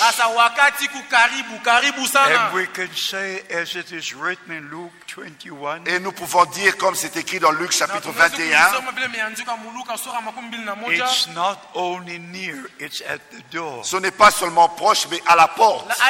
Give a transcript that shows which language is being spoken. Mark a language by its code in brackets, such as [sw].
[en] And we can say, as it is written in Luke 21. [fr] Et nous pouvons dire, comme c'est écrit dans Luc chapitre 21. [en] It's not only near, it's at the door. [fr] Ce n'est pas seulement proche, mais à la porte.